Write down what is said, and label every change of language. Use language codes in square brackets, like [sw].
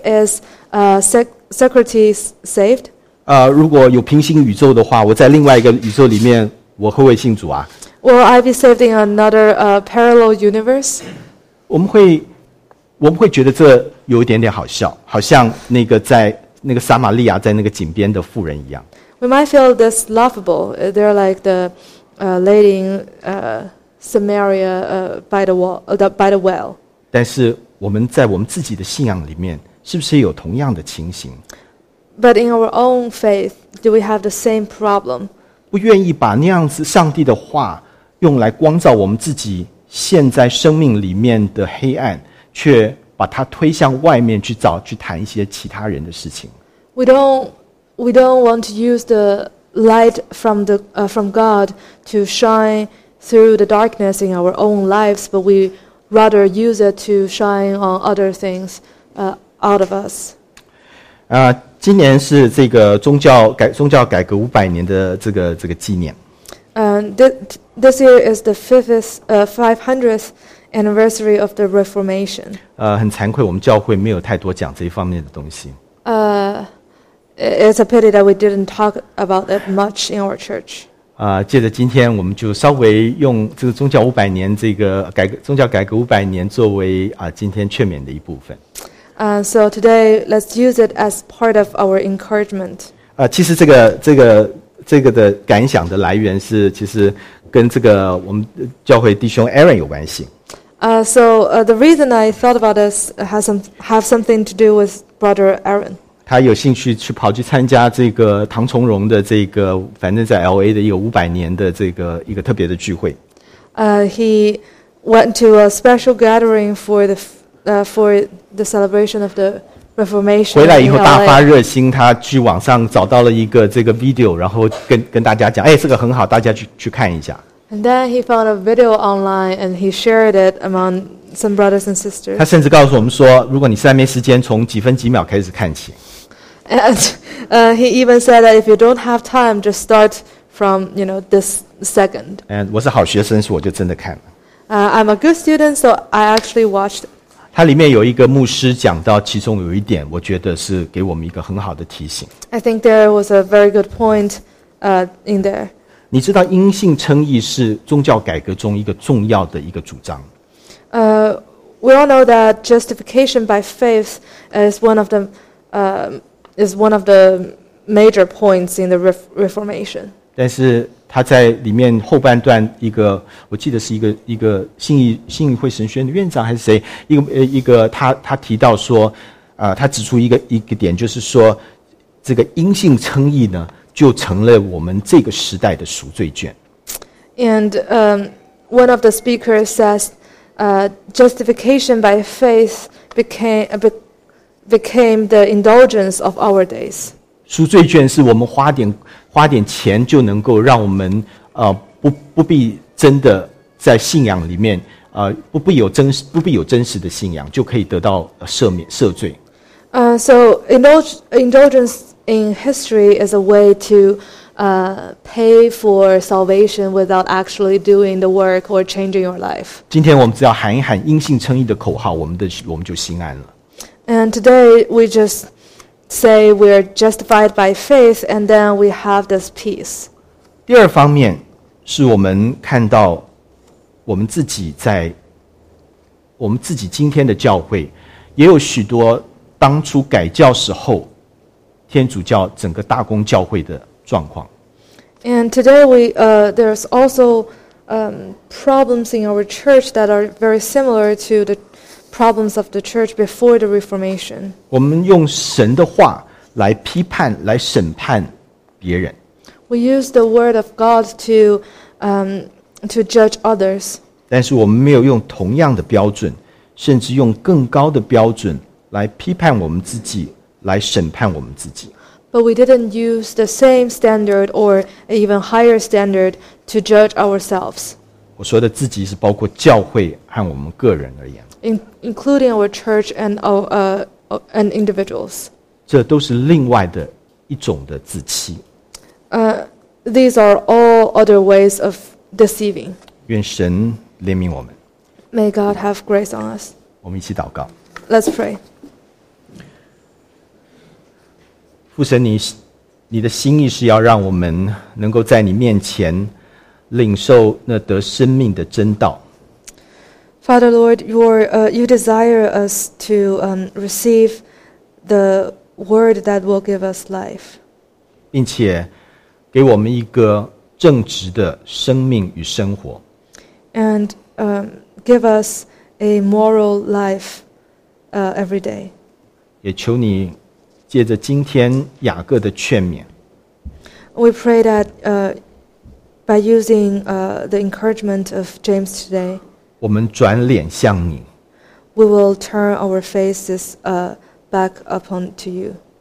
[en] Is Socrates saved? [zh] 如果有平行宇宙的话，我在另外一个宇宙里面，我会不会信主啊？ [en] Will I be saved in another parallel universe? [zh] 我们会觉得这有一点点好笑，好像那个在那个撒玛利亚在那个井边的妇人一样。 [en] We might feel this laughable. They're like the lady in Samaria by the well. [zh] 但是我们在我们自己的信仰里面，是不是有同样的情形？ [en] But in our own faith, do we have the same problem? [zh] 不愿意把那样子上帝的话用来光照我们自己现在生命里面的黑暗，却把它推向外面去找去谈一些其他人的事情。 [en] We don't want to use the light from from God to shine through the darkness in our own lives, but we rather use it to shine on other things out of us. [zh] 今年是这个宗教改革500年的这个纪念。 [en] This year is the 500th anniversary of the Reformation. [zh] 很惭愧，我们教会没有太多讲这一方面的东西。 [en] It's a pity that we didn't talk about it much in our church. [zh] 借着今天，我们就稍微用这个宗教改革五百年作为今天劝勉的一部分。 [en] So today, let's use it as part of our encouragement. [zh] 其实这个的感想的来源是，其实跟这个我们教会弟兄 Aaron 有关系。 [en] The reason I thought about this has something to do with brother Aaron. [zh] 他有兴趣去跑去参加这个唐崇荣的这个，反正在 LA 的一个500年的这个一个特别的聚会。 [en] He went to a special gathering for the celebration of the Reformation. [zh] 回来以后大发热心，他去网上找到了一个这个 video， 然后跟大家讲，哎，这个很好，大家去看一下。 [en] And then he found a video online and he shared it among some brothers and sisters. [zh] 他甚至告诉我们说，如果你实在没时间，从几分几秒开始看起。 [en] And he even said that if you don't have time, just start from this second. And [zh] 我是好学生，所以我就真的看了。 [en] I'm a good student, so I actually watched. [zh] 它里面有一个牧师讲到，其中有一点，我觉得是给我们一个很好的提醒。 [en] I think there was a very good point, in there. [zh] 你知道，因信称义是宗教改革中一个重要的一个主张。 [en] We all know that justification by faith is one of the major points in the Reformation. [zh] 但是他在里面后半段一个，我记得是一个信义会神学院的院长还是谁，一个他提到说，他指出一个点，就是说这个因信称义呢，就成了我们这个时代的赎罪券。 [en] And one of the speakers says, justification by faith became the indulgence of our days. [zh] 赎罪券是我们花点钱就能够让我们不必真的在信仰里面不必有真实的信仰就可以得到赦免赦罪。 [en] So indulgence in history is a way to pay for salvation without actually doing the work or changing your life. [zh] 今天我们只要喊一喊因信称义的口号，我们就心安了。 [en] And today we just say we're justified by faith, and then we have this peace. [zh] 第二方面是我们看到我们自己在我们自己今天的教会也有许多当初改教时候天主教整个大公教会的状况。 [en] And today there's also problems in our church that are very similar to the problems of the church before the Reformation. [zh] 我们用神的话来批判、来审判别人。 [en] We use the word of God to judge others. [zh] 但是我们没有用同样的标准，甚至用更高的标准来批判我们自己，来审判我们自己。 [en] But we didn't use the same standard or even higher standard to judge ourselves. [zh] 我说的自己是包括教会和我们个人而言。 [en] Including our church and and individuals. [zh] 这都是另外的一种的自欺。 [en] These are all other ways of deceiving. [zh] 愿神怜悯我们。 [en] May God have grace on us. [zh] 我们一起祷告。 [en] Let's pray. [zh] 父神，你的心意是要让我们能够在你面前领受那得生命的真道。 [en] Father Lord, you desire us to receive the word that will give us life, [zh] 并且给我们一个正直的生命与生活。 [en] And give us a moral life every day. [zh] 也求你借着今天雅各的劝勉， [en] We pray that by using the encouragement of James today, [zh] 我们转脸向你， [en] We will turn our faces back upon to you.